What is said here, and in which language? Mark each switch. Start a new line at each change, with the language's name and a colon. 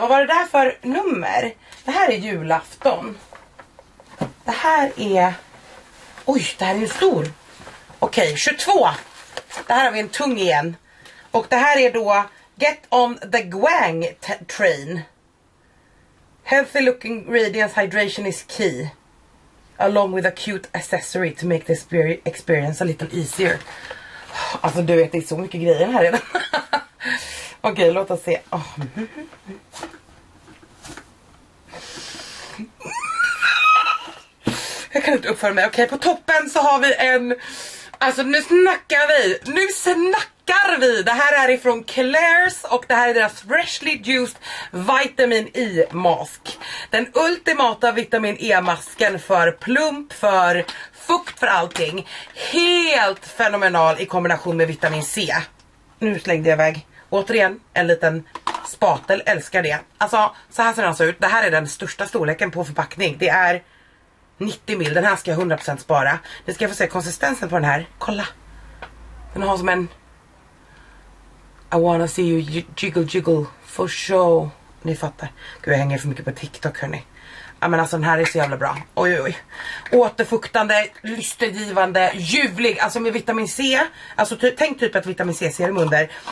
Swedish: Vad var det där för nummer? Det här är julafton. Det här är... Oj, det här är ju stor. Okej, 22. Det här har vi en tung igen. Och det här är då Get on the Gwang train.
English: Healthy looking radiance hydration is key. Along with a cute accessory to make this experience a little easier.
Swedish: Alltså du vet, det är så mycket grejer här redan. Okej, låt oss se. Oh. Jag kan inte uppföra mig. Okej, på toppen så har vi en... Alltså nu snackar vi. Nu snackar vi. Det här är ifrån Claire's och det här är deras Freshly Juiced Vitamin E-mask. Den ultimata vitamin E-masken för plump, för fukt, för allting. Helt fenomenal i kombination med vitamin C. Nu slängde jag iväg. Återigen, en liten spatel. Älskar det. Alltså, så här ser den alltså ut. Det här är den största storleken på förpackning. Det är 90 ml. Den här ska jag 100% spara. Nu ska jag få se konsistensen på den här. Kolla. Den har som en...
English: I wanna see you jiggle jiggle for show.
Swedish: Ni fattar. Gud, jag hänger för mycket på TikTok, hörni. Ja, men alltså den här är så jävla bra. Oj, oj, oj. Återfuktande, lystergivande, ljuvlig. Alltså med vitamin C. Alltså tänk typ att vitamin C ser dem under.